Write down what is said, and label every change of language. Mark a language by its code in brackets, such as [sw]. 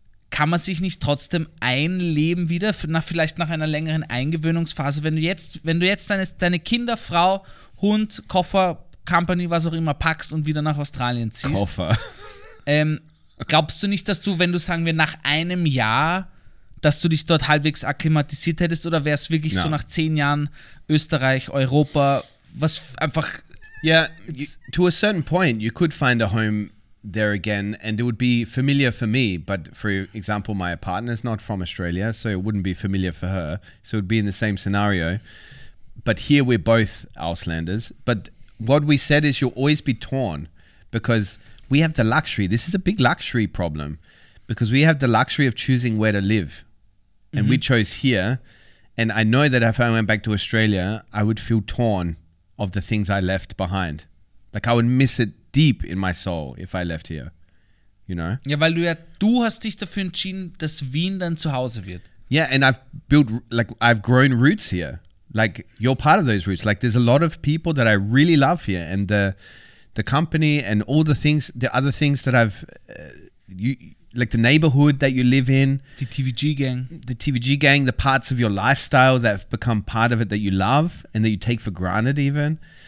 [de] kann man sich nicht trotzdem ein Leben wieder, vielleicht nach einer längeren Eingewöhnungsphase, wenn du jetzt deine Kinder, Frau, Hund, Koffer, Company, was auch immer, packst und wieder nach Australien ziehst. Koffer. Glaubst du nicht, dass du, wenn du, sagen wir, nach einem Jahr, dass du dich dort halbwegs akklimatisiert hättest, oder wäre es wirklich so nach 10 Jahren Österreich, Europa, was einfach... [en] Yeah, to a certain point, you could find a home there again, and it would be familiar for me, but for example, my partner's not from Australia, so it wouldn't be familiar for her, so it'd be in the same scenario. But here we're both Auslanders. But what we said is, you'll always be torn, because we have the luxury, this is a big luxury problem, because we have the luxury of choosing where to live, and mm-hmm. we chose here. And I know that if I went back to Australia, I would feel torn of the things I left behind. Like, I would miss it deep in my soul if I left here, you know? [de] Ja, weil du hast dich dafür entschieden, dass Wien dein Zuhause wird. [en] Yeah, and I've built, like, I've grown roots here. Like, you're part of those roots. Like, there's a lot of people that I really love here, and the company and all the things, the other things that I've, the neighborhood that you live in. The TVG gang. The TVG gang, the parts of your lifestyle that have become part of it that you love and that you take for granted even.